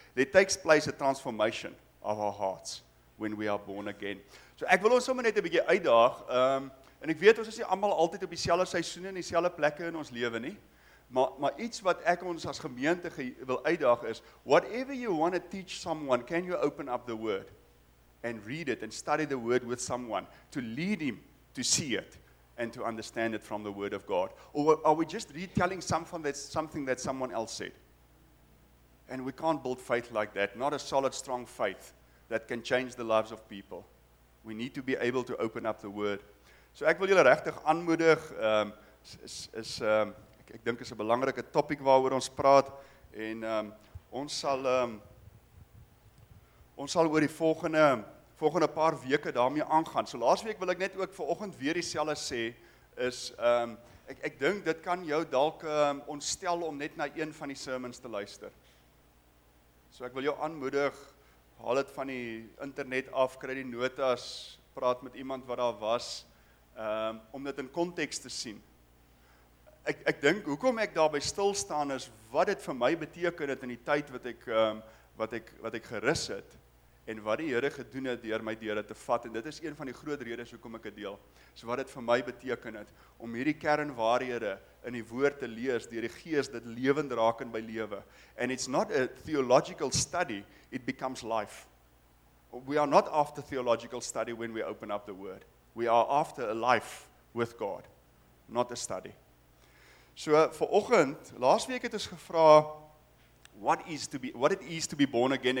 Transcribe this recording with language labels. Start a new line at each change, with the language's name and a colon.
English: There takes place a transformation of our hearts when we are born again.
Afrikaans: So ek wil ons sommer net 'n bietjie uitdaag. En ek weet ons is nie almal altyd op dieselfde seisoene en dieselfde plekke in ons lewe nie. Maar iets wat ek ons as gemeente wil uitdaag is,
English: whatever you want to teach someone, can you open up the word and read it and study the word with someone to lead him to see it and to understand it from the word of God? Or are we just retelling something that someone else said? And we can't build faith like that, not a solid, strong faith that can change the lives of people. We need to be able to open up the word.
Afrikaans: So ek wil julle regtig aanmoedig, ek dink is 'n belangrike topic waaroor ons praat, en ons sal oor die volgende paar weke daarmee aangaan. So laas week wil ek net ook vanoggend weer dieselfde sê, is ek dink dit kan jou dalk ontstel om net na een van die sermons te luister. So ek wil jou aanmoedig, haal het van die internet af, kry die notas, praat met iemand wat daar was, om dit in context te sien. Ek dink, hoekom ek daarby stilstaan is, wat het vir my beteken het in die tyd wat ek, wat ek gerus het, en wat die Here gedoen het deur my deure te vat, en dit is een van die groot redes hoekom ek het deel, so wat het vir my beteken het, om hierdie kernwaarhede in die woord te lees, deur die Gees dit lewend raak in my lewe.
English: And it's not a theological study, it becomes life. We are not after theological study when we open up the word. We are after a life with God, not a study.
Afrikaans: So vanoggend, laas week het ons gevra
English: what it is to be born again.